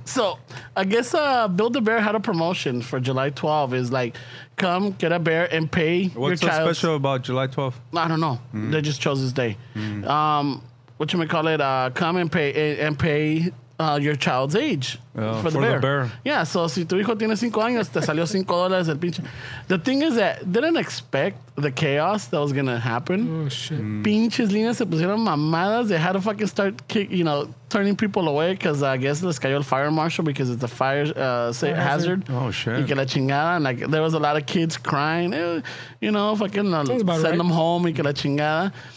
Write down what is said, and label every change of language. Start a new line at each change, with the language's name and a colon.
English: So I guess Build-A-Bear had a promotion for July 12. It's like, come get a bear and pay what's your child. What's so special about July 12? I don't know. Mm-hmm. They just chose this day. Mm-hmm. What you may call it? Come and pay your child's age for the bear. Yeah, so
Spanish: si tu hijo tiene 5 años, te salió $5 el pinche.
English: The thing is that they didn't expect the chaos that was gonna happen. Oh shit!
Spanish: Mm. Pinches líneas se pusieron mamadas.
English: They had to fucking start, turning people away because I guess
Spanish: les cayó el
English: fire marshal because it's a fire hazard. Oh shit!
Spanish: Y que la chingada,
English: and like there was a lot of kids crying. Send them home. Y que la chingada.